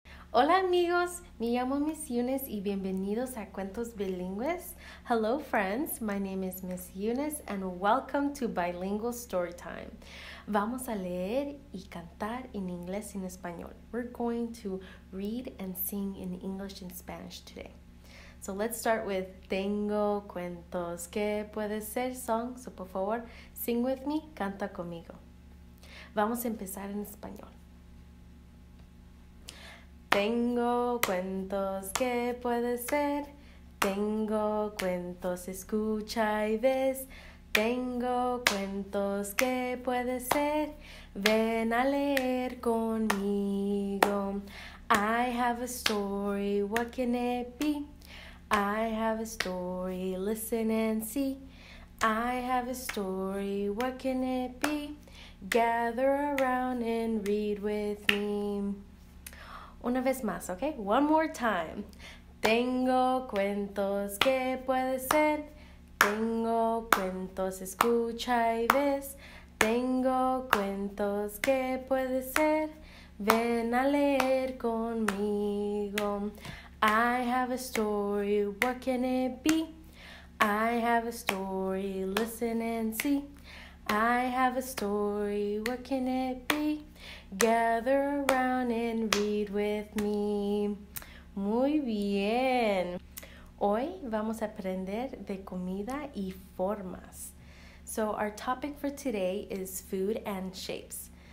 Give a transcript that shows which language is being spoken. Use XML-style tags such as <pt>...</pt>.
<es>Hola amigos, me llamo Miss Eunice y bienvenidos a Cuentos Bilingües.</es> <en>Hello friends, my name is Miss Eunice and welcome to Bilingual Storytime.</en> <es>Vamos a leer y cantar en inglés y en español.</es> <en>We're going to read and sing in English and Spanish today. So let's start with</en> <es>Tengo cuentos que puede ser</es> <en>song.</en> <es>So por favor,</es> <en>sing with me,</en> <es>canta conmigo. Vamos a empezar en español. Tengo cuentos que puede ser, tengo cuentos, escucha y ves. Tengo cuentos que puede ser, ven a leer conmigo.</es> <en>I have a story, what can it be? I have a story, listen and see. I have a story, what can it be? Gather around and read with me.</en> <es>Una vez más, ¿ok?</es> <en>One more time.</en> <es>Tengo cuentos que puede ser. Tengo cuentos, escucha y ves. Tengo cuentos que puede ser. Ven a leer conmigo.</es> <en>I have a story, what can it be? I have a story, listen and see. I have a story, what can it be? Gather around and read with me.</en> <es>Muy bien. Hoy vamos a aprender de comida y formas.</es> <en>So our topic for today is food and shapes.</en>